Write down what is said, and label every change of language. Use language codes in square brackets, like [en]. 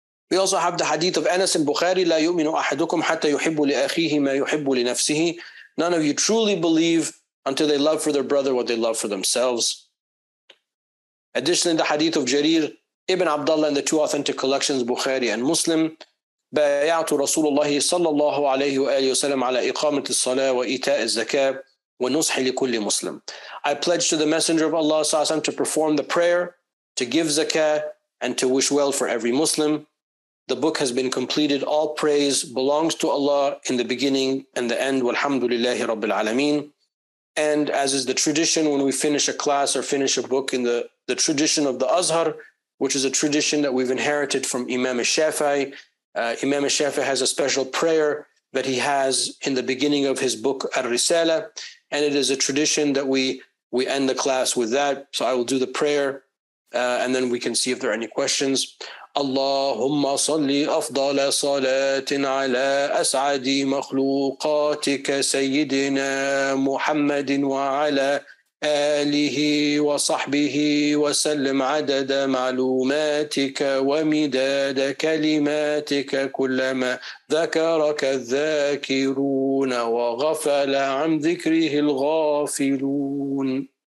[en] We also have the hadith of Anas in Bukhari, [ar] لا يؤمن أحدكم حتى يحب لأخيه ما يحب لنفسه. [en] None of you truly believe until they love for their brother what they love for themselves. Additionally, the hadith of Jarir Ibn Abdullah in the two authentic collections, Bukhari and Muslim, [ar] بايعت رسول الله صلى الله عليه وآله وسلم على إقامة الصلاة وإيتاء الزكاة ونصح لكل مسلم. [en] I pledged to the Messenger of Allah [ar] صلى الله عليه وسلم [en] to perform the prayer, to give zakah, and to wish well for every Muslim. The book has been completed. All praise belongs to Allah in the beginning and the end. [ar] Walhamdulillahi Rabbil Alameen. [en] And as is the tradition, when we finish a class or finish a book in the tradition of the Azhar, which is a tradition that we've inherited from Imam al-Shafi'i, Imam al-Shafi'i has a special prayer that he has in the beginning of his book, Ar-Risala. And it is a tradition that we end the class with that. So I will do the prayer, and then we can see if there are any questions. [ar] اللهم صل أفضل صلاة على أسعد مخلوقاتك سيدنا محمد وعلى آله وصحبه وسلم عدد معلوماتك ومداد كلماتك كلما ذكرك الذاكرون وغفل عن ذكره الغافلون.